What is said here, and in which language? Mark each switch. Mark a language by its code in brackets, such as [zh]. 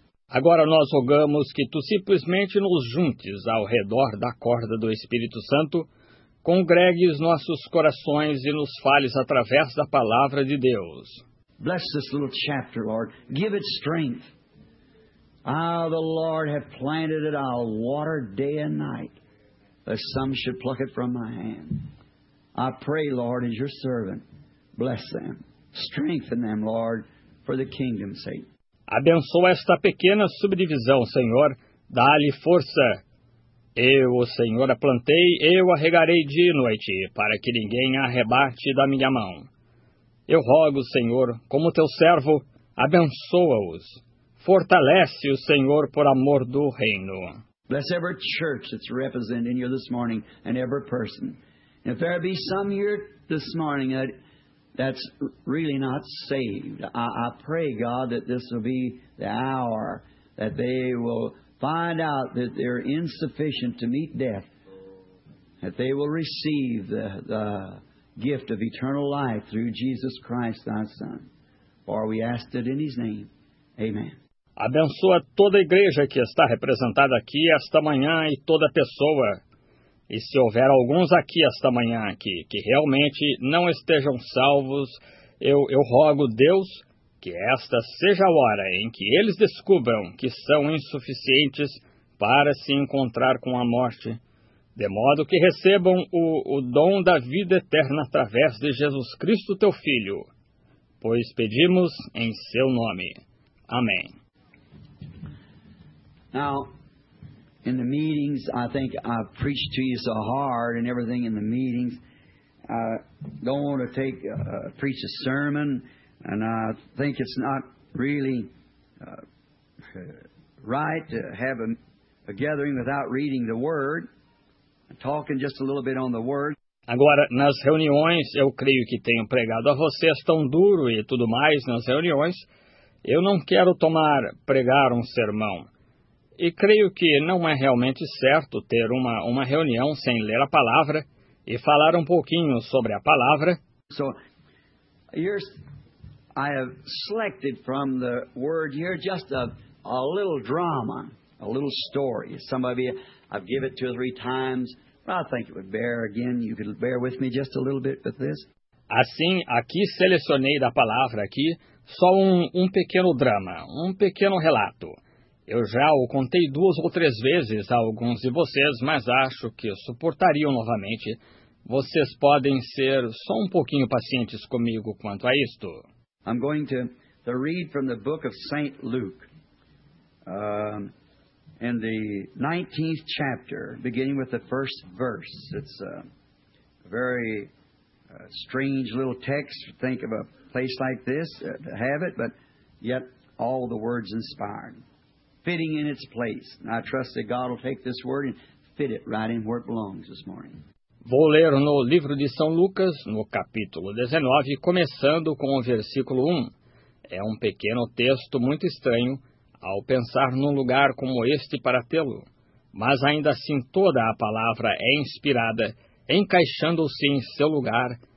[pt] Agora nós rogamos que tu simplesmente nos juntes ao redor da corda do Espírito Santo, congregues nossos corações e nos fales através da palavra de Deus. [en] Bless this little chapter, Lord. Give it strength. Ah, the Lord hath planted it, I'll water day and night, lest some should pluck it from my hand. I pray, Lord, as your servant, bless them. Strengthen them, Lord, for the kingdom's sake. [pt] Abençoa esta pequena subdivisão, Senhor. Dá-lhe força. Eu, o Senhor, a plantei, eu a regarei dia e noite, para que ninguém a arrebate da minha mão. Eu rogo, Senhor, como teu servo, abençoa-os. Fortalece o Senhor por amor do reino. [en] Bless every church that's representing you this morning and every person. If there be some here this morning that's really not saved, I pray, God, that this will be the hour that they will find out that they're insufficient to meet death, that they will receive the gift of eternal life through Jesus Christ, thy Son. For we ask it in his name. Amen. [pt] Abençoa toda a igreja que está representada aqui esta manhã e toda pessoa. E se houver alguns aqui esta manhã que realmente não estejam salvos, eu rogo, Deus, que esta seja a hora em que eles descubram que são insuficientes para se encontrar com a morte, de modo que recebam o dom da vida eterna através de Jesus Cristo, teu Filho, pois pedimos em seu nome. Amém. [en] Now, in the meetings, I think I've preached to you so hard and everything in the meetings. I don't want to preach a sermon, and I think it's not really right to have a gathering without reading the Word, talking just a little bit on the Word. [pt] Agora, nas reuniões, eu creio que tenho pregado a vocês tão duro e tudo mais nas reuniões. Eu não quero pregar um sermão. E creio que não é realmente certo ter uma reunião sem ler a palavra e falar um pouquinho sobre a palavra. [en] So, I have selected from the word here just a little drama, a little story. Some of you, I've given it 2 or 3 times. I think it would bear again. You could bear with me just a little bit with this. [pt] Assim, aqui selecionei da palavra aqui só um pequeno drama, um pequeno relato. Eu já o contei 2 ou 3 vezes a alguns de vocês, mas acho que suportariam novamente. Vocês podem ser só um pouquinho pacientes comigo quanto a isto. [en] I'm going to read from the book of St. Luke, in the 19th chapter, beginning with the first verse. It's a very strange little text to think of a place like this, to have it, but yet all the words inspired, fitting in its place. And I trust that God will take this word and fit it right in where it belongs this morning. [pt] Vou ler no livro de São Lucas, no capítulo 19, começando com o versículo 1. É um pequeno texto muito estranho ao pensar num lugar como este para tê-lo. Mas ainda assim toda a palavra é inspirada, encaixando-se em seu lugar.